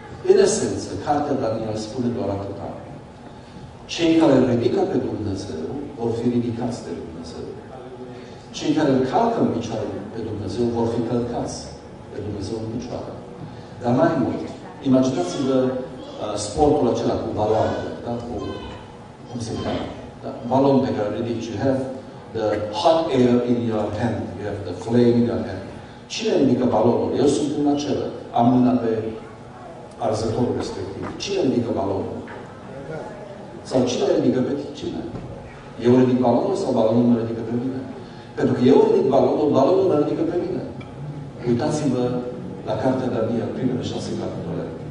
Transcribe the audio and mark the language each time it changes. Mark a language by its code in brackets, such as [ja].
[ro] În esență, cartea Daniel spune doar atâta. Cei care îl ridică pe Dumnezeu vor fi ridicați de Dumnezeu. Cei care îl calcă în picioare pe Dumnezeu vor fi călcați pe Dumnezeu în picioare. Dar mai mult, imaginați-vă sportul acela cu baloane, da? Cu, cum se cheamă? Da? Balon pe care ridici, [en] you have the hot air in your hand, you have the flame in your hand. [ro] Cine ridică balonul? Eu sunt în acela. Am mâna pe arzătorul respectiv. Cine ridică balonul? Sau cine ridică pe cine? Eu ridic balonul sau balonul mă ridică pe mine? Pentru că eu ridic balonul, balonul mă ridică pe mine. Uitați-vă la cartea Daniel, primele 6 capitole.